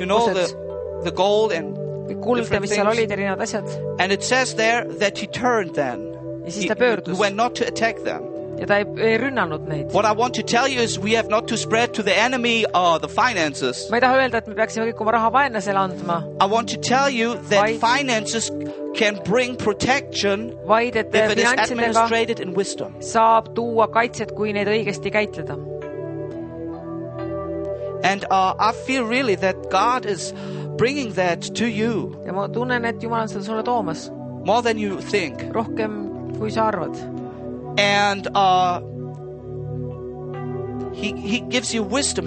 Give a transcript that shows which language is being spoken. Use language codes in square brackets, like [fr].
[en] You know, the gold and [et] kulde, mis seal olid erinevad asjad. [en] And it says there that he turned then. [et] Ja siis ta pöördus. [en] He went not to attack them. [et] Ja ta ei rünnanud neid. [en] What I want to tell you is we have not to spread to the enemy the finances. [et] Ma ei taha öelda, et me peaksime kõik oma raha vaenlasele andma. [en] I want to tell you that finances can bring protection [et] vaid, et [en] if it is administrated in wisdom. [et] Saab tuua kaitset, kui neid õigesti käitleda. [en] And I feel really that God is bringing that to you. [et] Ja ma tunnen, et Jumal on seda sulle toomas. [en] More than you think. [et] Rohkem, kui sa arvad. [en] And he gives you wisdom.